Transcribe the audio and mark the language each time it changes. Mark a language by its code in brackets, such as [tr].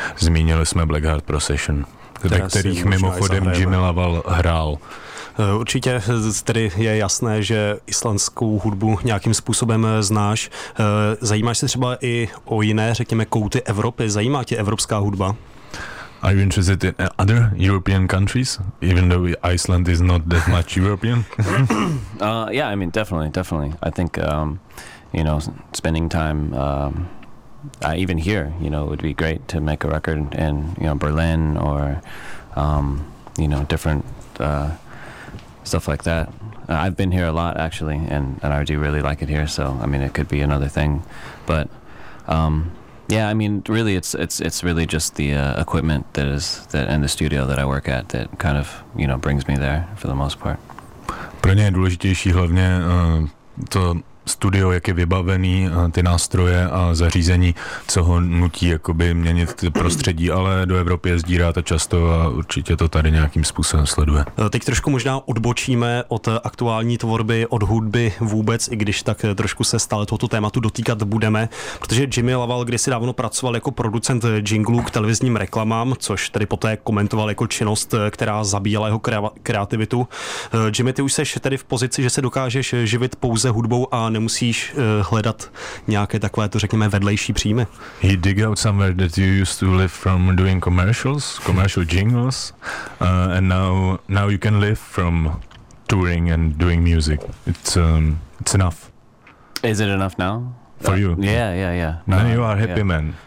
[cs] Zmínili jsme Black Heart Procession, ve kterých mimochodem Jimmy Lovell hrál. Určitě tedy je jasné, že islandskou hudbu nějakým způsobem znáš. Zajímáš se třeba i o jiné, řekněme, kouty Evropy? Zajímá tě evropská hudba? [en] Are you interested in other European countries, even though Iceland is not that much European? Yeah, I mean, definitely, definitely. I think, you know, spending time, even here, you know, it would be great to make a record in, you know, Berlin or, you know, different stuff like that. I've been here a lot, actually, and I do really like it here, so, I mean, it could be another thing. But, yeah, I mean, really, it's really just the equipment that is that and the studio that I work at that kind of, you know, brings me there for the most part. [cs] Pro ně je důležitější hlavně to studio, jak je vybavený, ty nástroje a zařízení, co ho nutí jakoby měnit prostředí, ale do Evropy jezdí rád a často a určitě to tady nějakým způsobem sleduje. Teď trošku možná odbočíme od aktuální tvorby, od hudby vůbec, i když tak trošku se stále tohoto tématu dotýkat budeme, protože Jimmy Laval kdysi dávno pracoval jako producent jinglů k televizním reklamám, což tedy poté komentoval jako činnost, která zabíjela jeho kreativitu. Jimmy, ty už seš tedy v pozici, že se dokážeš živit pouze hudbou a nemusíš hledat nějaké takové, to řekněme, vedlejší příjmy. [en] He dig out somewhere that you used to live from doing commercial jingles, and now you can live from touring and doing music. It's enough. Is it enough now? For you? Yeah. Now you are happy, yeah. Man.